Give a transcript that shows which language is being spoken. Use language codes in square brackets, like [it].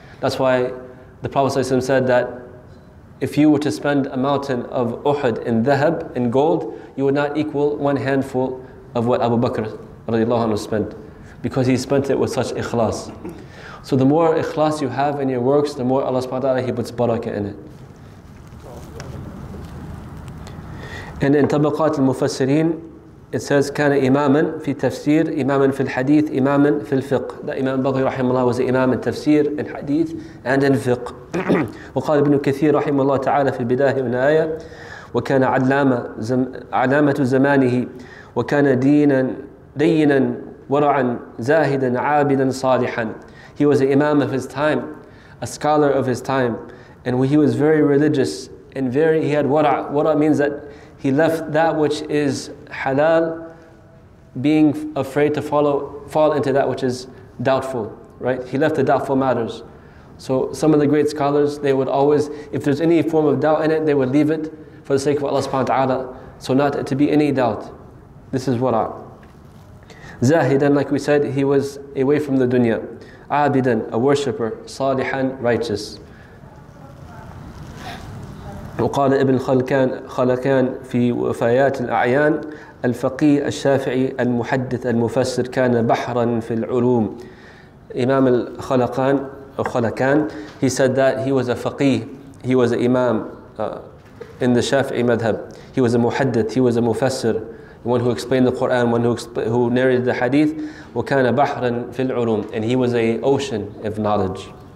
[en] That's why the Prophet ﷺ said that if you were to spend a mountain of Uhud in dhahab, in gold, you would not equal one handful of what Abu Bakr radiallahu anhu spent, because he spent it with such ikhlas. So the more ikhlas you have in your works, the more Allah subhanahu wa ta'ala, he puts barakah in it. And in Tabaqat al-Mufassirin, it says, [ar] كان إماما في تفسير, إماما في الحديث, إماما في الفقه. [en] That Imam Baghawi rahimahullah was an imam in tafsir, in hadith, and in fiqh. [ar] وقال ابن كثير rahimahullah تعالى في البداية من آية, وكان علامة, علامة زمانه, وكان دينا, دينا, ورعا, زاهدا, عابدا, صالحا. [en] He was an imam of his time, a scholar of his time. And he was very religious, and very, he had ورع. ورع means that he left that which is halal, being afraid to fall into that which is doubtful, right? He left the doubtful matters. So some of the great scholars, they would always, if there's any form of doubt in it, they would leave it for the sake of Allah subhanahu wa ta'ala, so not to be any doubt. This is wara. Zahidan, like we said, he was away from the dunya. Abidan, a worshipper. Salihan, righteous. [ar] وقال ابن خلكان في وفيات الأعيان الفقيه الشافعي المحدث المفسر كان بحرا في العلوم. [en] Imam al-Khalakan, or Khalakan, he said that he was a faqih, he was an imam in the Shafi'i madhab. He was a muhaddith, he was a mufassir, one who explained the Quran, one who narrated the hadith. [ar] وكان بحرا في العلوم, [en] and he was an ocean of knowledge.